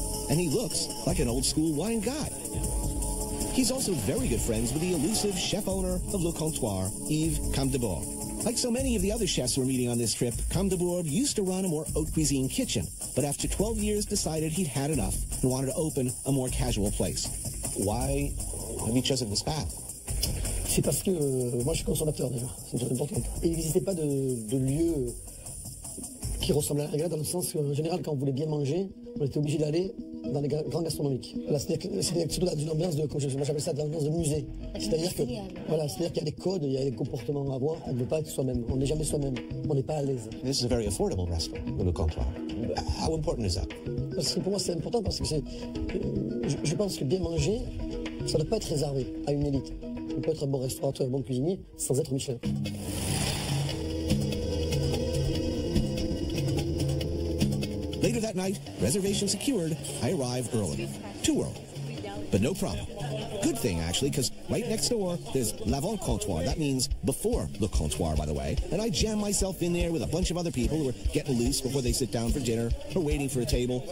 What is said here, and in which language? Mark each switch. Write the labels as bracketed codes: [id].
[en] And he looks like an old-school wine guy. He's also very good friends with the elusive chef-owner of Le Comptoir, Yves Camdebourg. Like so many of the other chefs we're meeting on this trip, Camdebourg used to run a more haute cuisine kitchen, but after 12 years decided he'd had enough and wanted to open a more casual place. Why have you chosen this path? [fr] C'est parce que moi, je suis consommateur, déjà. C'est très important. Et il n'existait pas de lieu qui ressemble à la régalade, dans le sens que, en général, quand on voulait bien manger, on était obligé d'aller dans les grands gastronomiques. Là, c'était surtout dans une ambiance de, comme j'appelle ça, dans l'ambiance de musée. C'est-à-dire que, voilà, c'est-à-dire qu'il y a des codes, il y a des comportements à avoir, on ne veut pas être soi-même, on n'est jamais soi-même, on n'est pas à l'aise. [en] This is a very affordable restaurant, Le Comptoir. How important is that? [fr] Parce que pour moi, c'est important parce que c'est, je pense que bien manger, ça ne doit pas être réservé à une élite. On peut être un bon restaurateur, un bon cuisinier, sans être Michelin. [en] Later that night, reservation secured, I arrive early. Too early. But no problem. Good thing, actually, because right next door, there's l'avant comptoir. That means before Le Comptoir, by the way. And I jam myself in there with a bunch of other people who are getting loose before they sit down for dinner or waiting for a table.